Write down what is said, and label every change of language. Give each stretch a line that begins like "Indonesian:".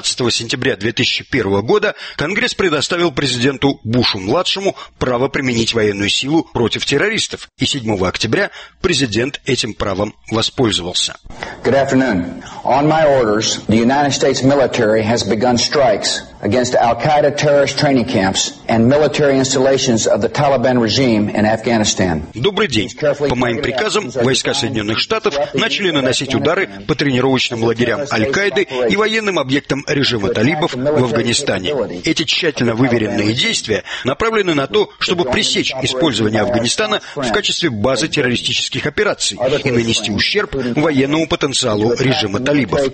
Russian: Сентября 2001 года Конгресс предоставил президенту Бушу-младшему право применить военную силу против террористов, и 7 октября президент этим правом воспользовался.
English: Good afternoon. On my orders, the United States military has begun strikes against Al-Qaeda terrorist training camps and military installations of the Taliban regime in Afghanistan.
Russian: Добрый день. По моим приказам, войска Соединенных Штатов начали наносить удары по тренировочным лагерям Аль-Каиды и военным объектам режима талибов в Афганистане. Эти тщательно выверенные действия направлены на то, чтобы пресечь использование Афганистана в качестве базы террористических операций и нанести ущерб военному потенциалу режима талибов.